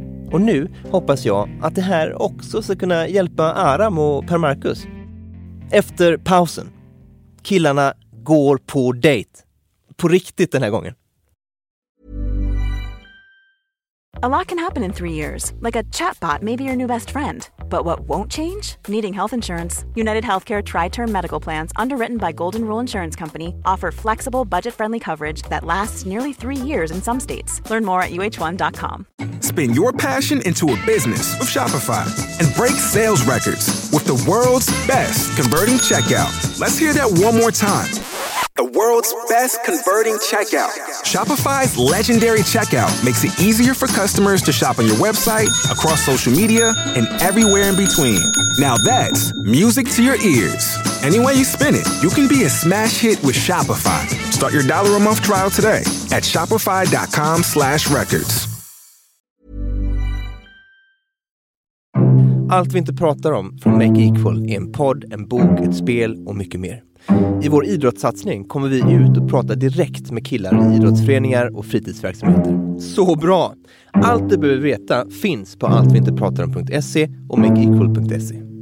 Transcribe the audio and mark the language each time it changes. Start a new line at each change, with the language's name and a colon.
Swedish: Och nu hoppas jag att det här också ska kunna hjälpa Aram och Per Marcus. Efter pausen. Killarna går på dejt. På riktigt den här gången.
English: A lot can happen in 3 years. Like a chatbot may be your new best friend. But what won't change? Needing health insurance. United Healthcare tri-term medical plans, underwritten by Golden Rule Insurance Company, offer flexible, budget-friendly coverage that lasts nearly 3 years in some states. Learn more at uh1.com. Spin your passion into a business with Shopify and break sales records with the world's best converting checkout. Let's hear that one more time. The world's best converting checkout. Shopify's legendary checkout makes it easier for customers to shop on your website, across social media, and everywhere in between. Now that's music to your ears. Any way you spin it, you can be a smash hit with Shopify. Start your dollar a month trial today at shopify.com/records.
Swedish: Allt vi inte pratar om från Make Equal är en podd, en bok, ett spel och mycket mer. I vår idrottssatsning kommer vi ut och prata direkt med killar i idrottsföreningar och fritidsverksamheter. Så bra! Allt du behöver veta finns på alltviinteprataram.se och makeequal.se.